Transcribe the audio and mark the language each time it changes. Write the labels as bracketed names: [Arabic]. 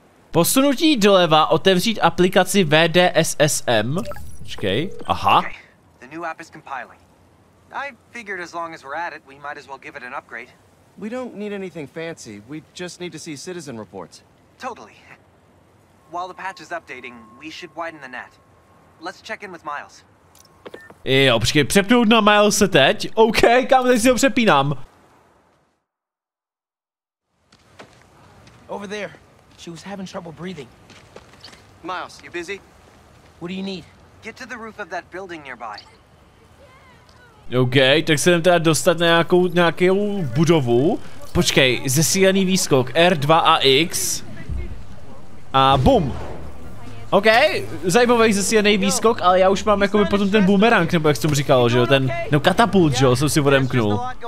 [Czech] Posunutí doleva, otevřít aplikaci VDSSM. Počkej, aha. [English] The new app is compiling. I figured as long as we're at it, we might as well give it an upgrade. We don't need anything fancy, we just need to see citizen reports. Totally. While the patch is updating, we should widen the net. Let's check in with Miles. [Czech] Jo, počkej, přepnout na Miles teď. OK, kam teď si ho přepínám? [English] Over there. She was having trouble breathing. Miles, you busy? What do you need? Get to the roof of that building nearby. [Czech] OK, tak se jdem teda dostat na nějakou budovu. Počkej, zesílený výskok R2 a X. A bum. OK, zajímavý zesílený výskok, ale já už mám jakoby potom ten boomerang, nebo jak jsem říkal, že jo, ten, no katapult, že jo, jsem si odemknul.